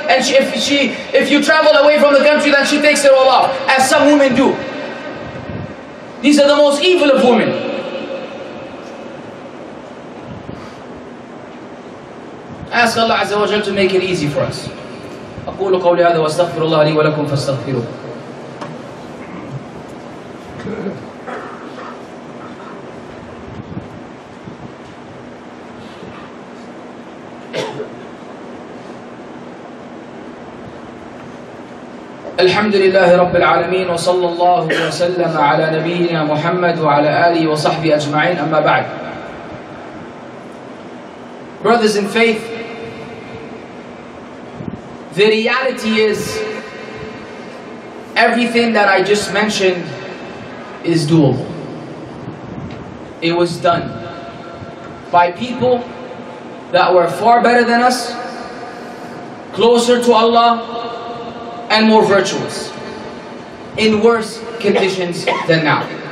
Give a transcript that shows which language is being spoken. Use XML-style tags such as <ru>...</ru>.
<en>And if you travel away from the country, then she takes it all off. As some women do. These are the most evil of women. Ask Allah Azza wa Jal to make it easy for us.</en> <ar>أقول قولي هذا واستغفر الله لي ولكم فاستغفروا. الحمد لله رب العالمين وصلى الله وسلم على نبينا محمد وعلى آله وصحبه أجمعين أما بعد.</ar> <en>Brothers in faith, the reality is, everything that I just mentioned is doable. It was done by people that were far better than us, closer to Allah, and more virtuous, in worse conditions than now.</en>